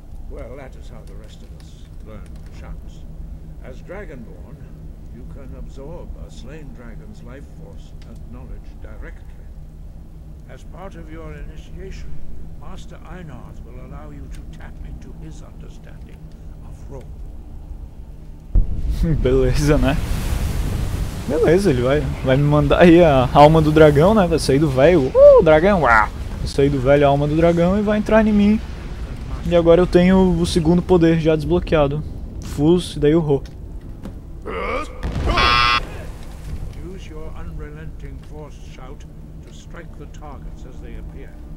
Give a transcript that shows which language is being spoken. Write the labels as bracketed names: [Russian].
[English] Well, that is how the rest of us learn chants. As Dragonborn, you can absorb a slain dragon's life force and knowledge directly. As part of your initiation, Master Einarth will allow you to tap into his understanding of Rome. [Portuguese] Beleza, né? Beleza, ele vai me mandar aí a alma do dragão, né? Vai sair do véio. Dragão! Uau. Isso aí do velho alma do dragão e vai entrar em mim. E agora eu tenho o segundo poder já desbloqueado. Fus, e daí o Ro. [English] Use your unrelenting force shout to strike the targets as they appear.